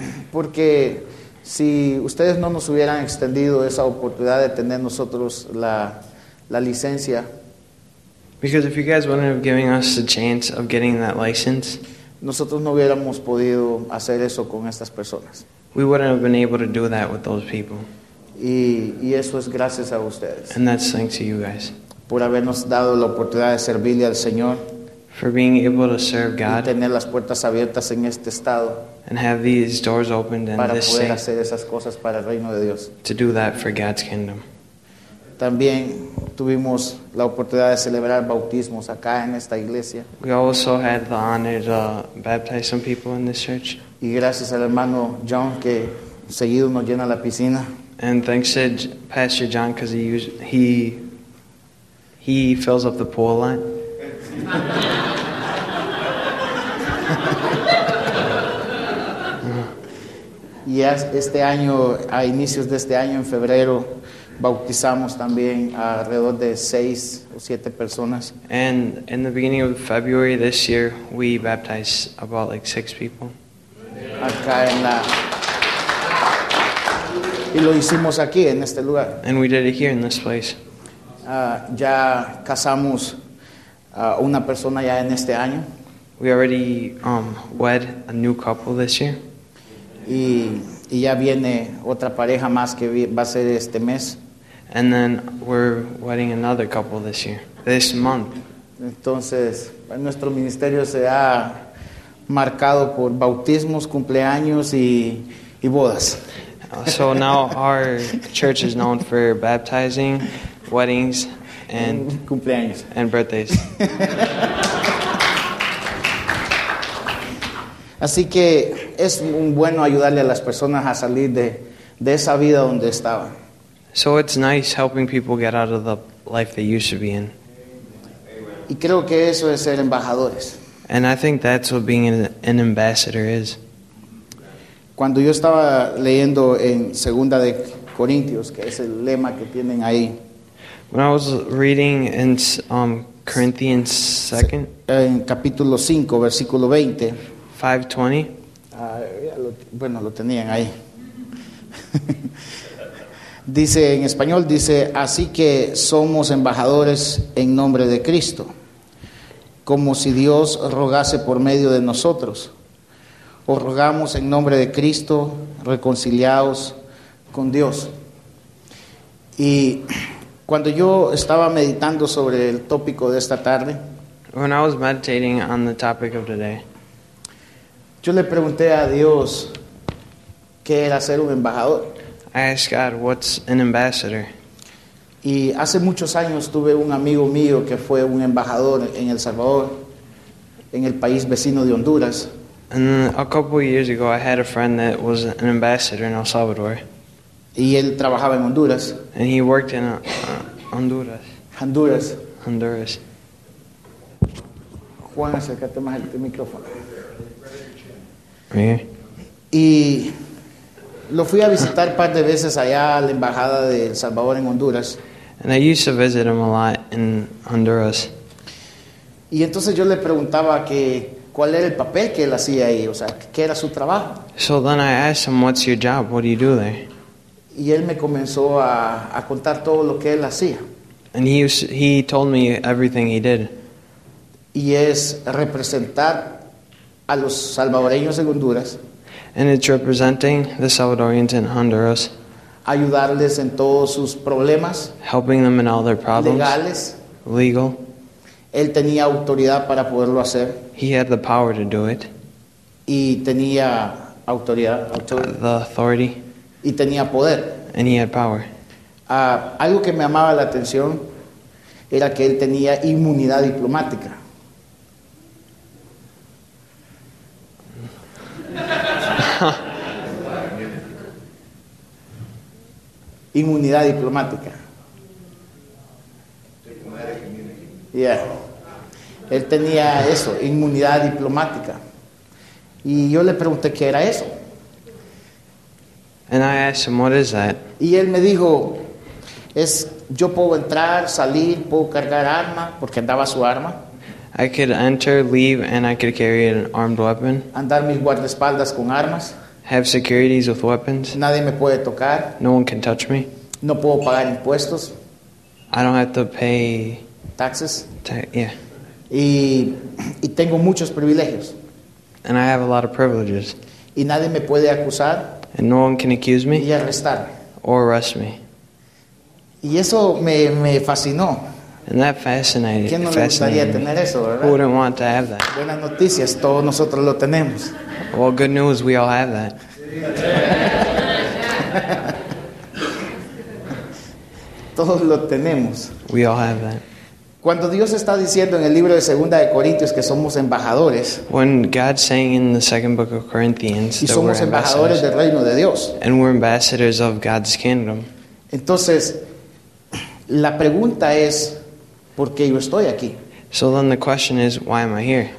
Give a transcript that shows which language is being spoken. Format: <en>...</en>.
<es>Porque si ustedes no nos hubieran extendido esa oportunidad de tener nosotros la licencia,</es> <en>because if you guys wouldn't have given us the chance of getting that license,</en> <es>nosotros no hubiéramos podido hacer eso con estas personas.</es> <en>We wouldn't have been able to do that with those people.</en> <es>Y eso es gracias a ustedes.</es> <en>And that's thanks to you guys.</en> <es>Por habernos dado la oportunidad de servirle al Señor.</es> <en>For being able to serve God.</en> <es>Y tener las puertas abiertas en este estado.</es> <en>And have these doors opened in</en> <es>para</es> <en>this</en> <es>poder</es> <en>state,</en> <es>hacer esas cosas para el reino de Dios.</es> <en>To do that for God's kingdom.</en> <es>También tuvimos la oportunidad de celebrar bautismos acá en esta iglesia.</es> <en>We also had the honor to baptize some people in this church.</en> <es>Y gracias al hermano John que seguido nos llena la piscina.</es> <en>And thanks to Pastor John because he fills up the pool a lot.</en> <es>Y este año, a inicios de este año, en febrero, bautizamos también alrededor de 6 o 7 personas.</es> <en>And in the beginning of February this year, we baptized about like 6 people.</en> <es>Acá en la... Y lo hicimos aquí, en este lugar.</es> <en>And we did it here in this place.</en> <es>Ya casamos una persona ya en este año.</es> <en>We already wed a new couple this year.</en> <es>Y ya viene otra pareja más que va a ser este mes.</es> <en>And then we're wedding another couple this year, this month.</en> <es>Entonces, nuestro ministerio se ha marcado por bautismos, cumpleaños y bodas.</es> <en>So now our church is known for baptizing, weddings, and</en> <es>cumpleaños.</es> <en>And birthdays.</en> <es>Así que es un bueno ayudarle a las personas a salir de esa vida donde estaban.</es> <en>So it's nice helping people get out of the life they used to be in.</en> <es>Y creo que eso es ser embajadores.</es> <en>And I think that's what being an ambassador is.</en> <es>Cuando yo estaba leyendo en Segunda de Corintios, que es el lema que tienen ahí.</es> <en>When I was reading in Corinthians 2nd.</en> <es>En capítulo 5, versículo 20. 520. Bueno, lo tenían ahí. Dice en español, dice, así que somos embajadores en nombre de Cristo, como si Dios rogase por medio de nosotros. Os rogamos en nombre de Cristo, reconciliados con Dios. Y cuando yo estaba meditando sobre el tópico de esta tarde,</es> <en>when I was meditating on the topic of today,</en> <es>yo le pregunté a Dios qué era ser un embajador.</es> <en>I asked God, what's an ambassador?</en> <es>Y hace muchos años tuve un amigo mío que fue un embajador en El Salvador, en el país vecino de Honduras.</es> <en>And a couple of years ago, I had a friend that was an ambassador in El Salvador.</en> <es>Y él trabajaba en Honduras.</es> <en>And he worked in Honduras. Honduras. Honduras.</en> <es>Juan, acércate más al micrófono.</es> <en>Right here.</en> <es>Y lo fui a visitar par de veces allá a la embajada de El Salvador en Honduras.</es> <en>And I used to visit him a lot in Honduras.</en> <es>Y entonces yo le preguntaba que cuál era el papel que él hacía ahí, o sea, qué era su trabajo.</es> <en>So then I asked him, what's your job? What do you do there?</en> <es>Y él me comenzó a contar todo lo que él hacía.</es> <en>And he told me everything he did.</en> <es>Y es representar a los salvadoreños en Honduras.</es> <en>And it's representing the Salvadorians in Honduras.</en> <es>Ayudarles en todos sus problemas.</es> <en>Helping them in all their problems.</en> <es>Legales.</es> <en>Legal.</en> <es>Él tenía autoridad para poderlo hacer.</es> <en>He had the power to do it.</en> <es>Y tenía autoridad.</es> <en>The authority.</en> <es>Y tenía poder.</es> <en>And he had power.</en> <es>Algo que me llamaba la atención era que él tenía inmunidad diplomática. Inmunidad diplomática.</es> <en>Yeah.</en> <es>Él tenía eso, inmunidad diplomática. Y yo le pregunté qué era eso.</es> <en>And I asked him, what is that?</en> <es>Y él me dijo, es, yo puedo entrar, salir, puedo cargar arma, porque andaba su arma.</es> <en>I could enter, leave, and I could carry an armed weapon.</en> <es>Andar mis guardaespaldas con armas.</es> <en>Have securities with weapons.</en> <es>Nadie me puede tocar.</es> <en>No one can touch me.</en> <es>No puedo pagar impuestos.</es> <en>I don't have to pay... Taxes. Yeah.</en> <es>Y tengo muchos privilegios.</es> <en>And I have a lot of privileges.</en> <es>Y nadie me puede acusar.</es> <en>And no one can accuse me.</en> <es>Y arrestar.</es> <en>Or arrest me.</en> <es>Y eso me fascinó.</es> <en>And that fascinated me.</en> <es>¿Quién no le gustaría tener eso, verdad?</es> <en>Who wouldn't want to have that?</en> <es>Buenas noticias, todos nosotros lo tenemos.</es> <en>Well, good news, we all have that.</en> <es>Todos lo tenemos.</es> <en>We all have that.</en> <es>Cuando Dios está diciendo en el libro de Segunda de Corintios que somos embajadores.</es> <en>When God's saying in the second book of Corinthians</en> <es>y somos embajadores del reino de Dios.</es> <en>And we're ambassadors of God's kingdom.</en> <es>Entonces, la pregunta es, ¿por qué yo estoy aquí?</es> <en>So then the question is, why am I here?</en>